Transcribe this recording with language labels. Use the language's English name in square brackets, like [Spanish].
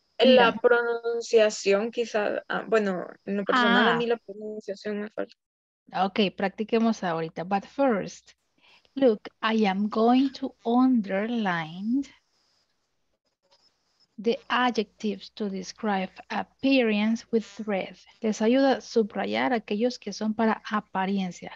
[Spanish] La pronunciación quizá, bueno, en lo personal a mí la pronunciación me falta. Ok, practiquemos ahorita. [English] But first, look, I am going to underline the adjectives to describe appearance with red. [Spanish] Les ayuda a subrayar aquellos que son para apariencia.